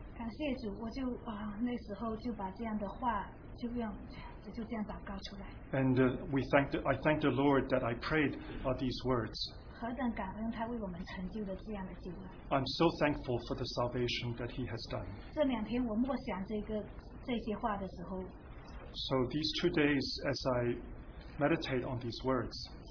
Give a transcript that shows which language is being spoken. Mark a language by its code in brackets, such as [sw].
[zh] 感谢主，我就那时候就把这样的话就用就这样祷告出来。 [en] And I thank the Lord that I prayed these words. [zh] 何等感恩他为我们成就了这样的救恩。 [en] I'm so thankful for the salvation that he has done. [zh] 这两天我默想这些话的时候。 [en] So these 2 days as I meditate on these words.